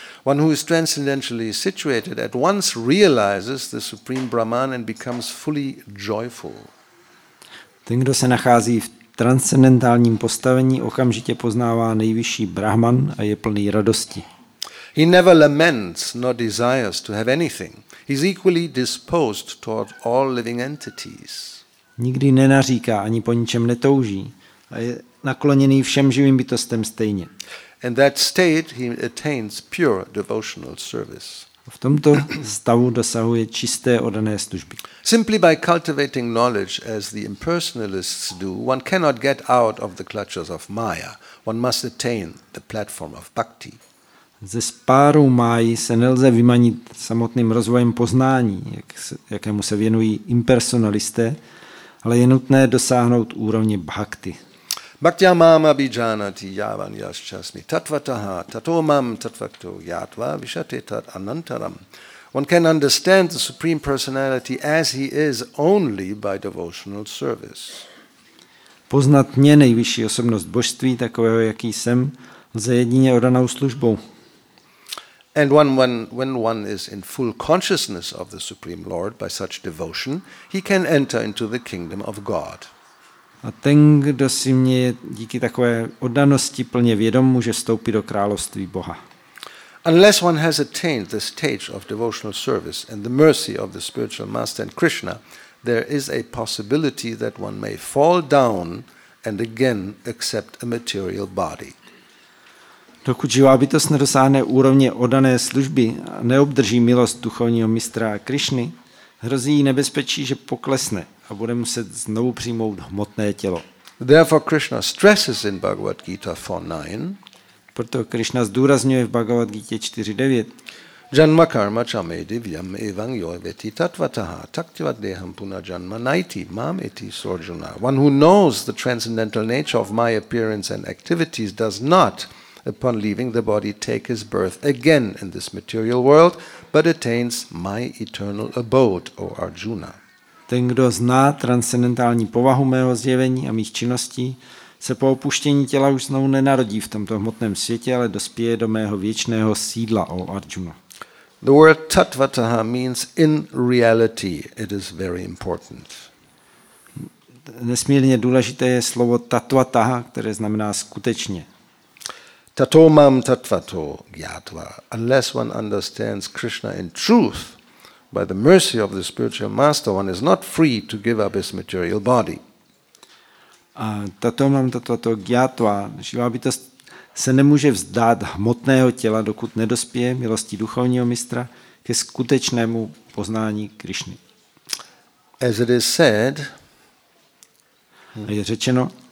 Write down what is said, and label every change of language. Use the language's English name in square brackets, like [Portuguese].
[English] One who is transcendentally situated at once realizes the supreme Brahman and becomes fully joyful. [Czech] Ten, kdo se nachází v transcendentálním postavení, okamžitě poznává nejvyšší Brahman a je plný radosti. [English] He never laments nor desires to have anything. He is equally disposed toward all living entities. [Czech] Nikdy nenaříká ani po ničem netouží a je nakloněný všem živým bytostem stejně. [English] In that state he attains pure devotional service. [Czech] V tomto stavu dosahuje čisté oddané služby. [English] Simply by cultivating knowledge as the impersonalists do, one cannot get out of the clutches of Maya. One must attain the platform of bhakti. [Czech] Ze spáru Máji se nelze vymanit samotným rozvojem poznání, jakému se věnují impersonalisté, ale je nutné dosáhnout úrovně bhakti. [Sanskrit] Bhaktya mam abhijanati yavan yaschasmi tatvataha tato mam tatvakto yatva vishate tat anantaram. [English] One can understand the Supreme Personality as he is only by devotional service. [Czech] Poznat mě, nejvyšší osobnost božství, takového, jaký jsem, lze jedině oddanou službou. [English] And when one is in full consciousness of the Supreme Lord by such devotion, he can enter into the kingdom of God. [Czech] A ten, kdo si mě díky takové oddanosti plně vědom, může vstoupit do království Boha. [English] Unless one has attained the stage of devotional service and the mercy of the spiritual master and Krishna, there is a possibility that one may fall down and again accept a material body. [Czech] Dokud živá bytost nedosáhne úrovně oddané služby a neobdrží milost duchovního mistra Krišny, hrozí jí nebezpečí, že poklesne a bude muset znovu přijmout hmotné tělo. [English] Therefore Krishna stresses in Bhagavad Gita 4.9. [Czech] Proto Krishna zdůrazňuje v Bhagavad Gita 4.9. [Sanskrit] Janma karma chame divyam evang yo veti tatvataha taktivat deham puna janma naiti mam eti sorjuna. [English] One who knows the transcendental nature of my appearance and activities does not, upon leaving the body, take his birth again in this material world, but attains my eternal abode, O Arjuna. [Czech] Ten, kdo zná transcendentální povahu mého zjevení a mých činností, se po opuštění těla už znovu nenarodí v tomto hmotném světě, ale dospěje do mého věčného sídla, O Arjuna. [English] The word tatvataha means in reality. It is very important. [Czech] Nesmírně důležité je slovo tatvataha, které znamená skutečně. [Sanskrit] Tato mam tatvato gyatva. [English] Unless one understands Krishna in truth, by the mercy of the spiritual master, one is not free to give up his material body. [Sanskrit] Tato mam tatvato gyatva. [Czech] Živá bytost se nemůže vzdát hmotného těla, dokud nedospěje milosti duchovního mistra ke skutečnému poznání Krišny. [English] As it is said, [Czech] je řečeno,